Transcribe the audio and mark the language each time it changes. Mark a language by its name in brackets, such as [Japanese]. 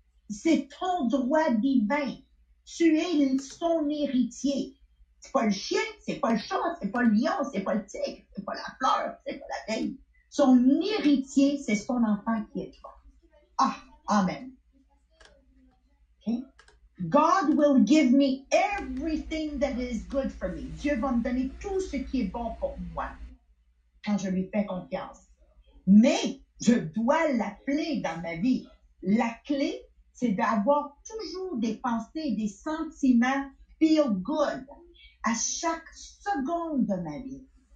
[French] C'est ton droit divin. Tu es son héritier. C'est pas le chien, c'est pas le chat, c'est pas le lion, c'est pas le tigre, c'est pas la fleur, c'est pas la veille. Son héritier, c'est son enfant qui est toi. Ah, amen. Okay? [English] God will give me everything that is good for me. [French] Dieu va me donner tout ce qui est bon pour moi quand je lui fais confiance. Mais je dois l'appeler dans ma vie. La clé, c'est d'avoir toujours des pensées, des sentiments feel good à chaque seconde de ma vie.